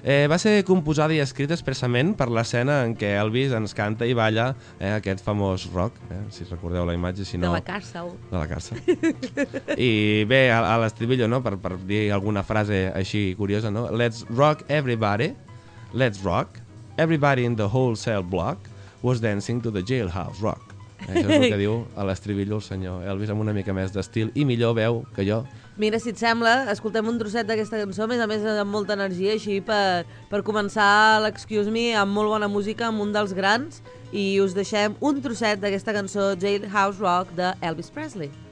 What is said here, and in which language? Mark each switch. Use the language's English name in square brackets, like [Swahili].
[Catalan] Va ser composada i escrita expressament per l'escena en què Elvis ens canta i balla aquest famós rock, si recordeu la imatge, si no... [Spanish] De la càrcel. De la càrcel. [Catalan] I bé, a l'estribillo, no?, per dir alguna frase així curiosa, no? [English] Let's rock everybody. Let's rock. Everybody in the whole cell block was dancing to the Jailhouse Rock. [Catalan] Això és el que diu a l'estribillo el senyor Elvis, amb una mica més d'estil i millor veu que jo. Mira, si et sembla, escoltem un trosset d'aquesta cançó, a més amb molta energia, així per començar l'Excuse Me amb molt bona música, amb un dels grans, i us deixem un trosset d'aquesta cançó Jailhouse Rock de Elvis Presley.